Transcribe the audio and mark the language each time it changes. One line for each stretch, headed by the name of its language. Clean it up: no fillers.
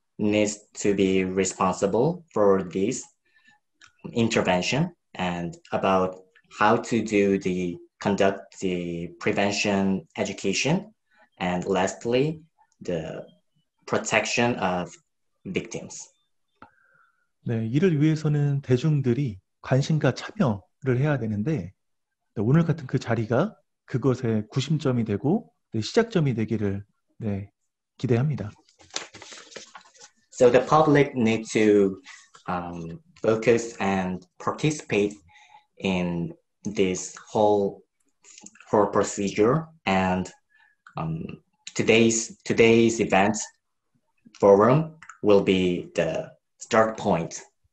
English: needs to be responsible for this intervention and about how to do the conduct the prevention education, and lastly, the protection of victims.
Korean: 네, 이를 위해서는 대중들이 관심과 참여를 해야 되는데 네, 오늘 같은 그 자리가 그것의 구심점이 되고 네, 시작점이 되기를 네, 기대합니다.
English: So the public need to focus and participate in this whole procedure and today's event forum will be the start point.